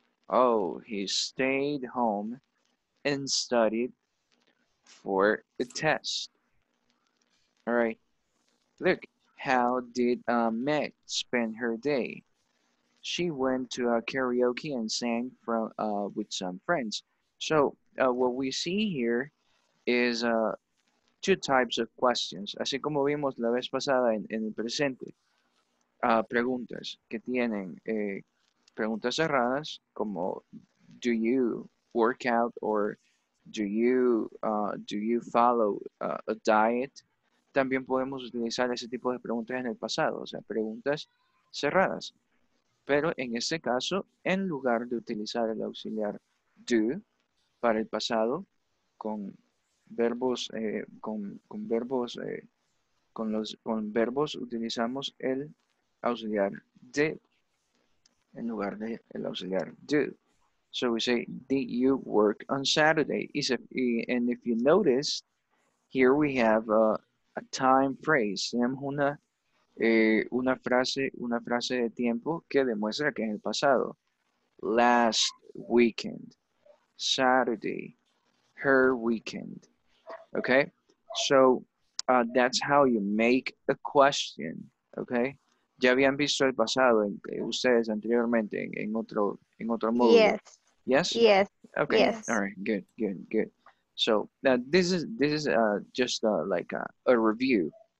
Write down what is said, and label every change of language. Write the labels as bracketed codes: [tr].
[en] Oh, he stayed home and studied for a test. All right. Look, how did Meg spend her day? She went to a karaoke and sang from with some friends. So what we see here is two types of questions. [es] Así como vimos la vez pasada en el presente. Preguntas que tienen preguntas cerradas como [en] do you work out or do you follow a diet. [es] También podemos utilizar ese tipo de preguntas en el pasado, o sea, preguntas cerradas. Pero en este caso, en lugar de utilizar el auxiliar do para el pasado con verbos utilizamos el auxiliar did en lugar de el auxiliar do. [en] So we say, did you work on Saturday? And if you notice, here we have a time phrase. [es] Tenemos una frase de tiempo que demuestra que es el pasado. [en] Last weekend, Saturday, her weekend. Okay, so that's how you make a question. Okay. [es] Ya habían visto el pasado en ustedes anteriormente en otro módulo. [en] Yes. Yes. Yes. Okay. Yes. All right. Good. Good. Good. So now this is just like a review.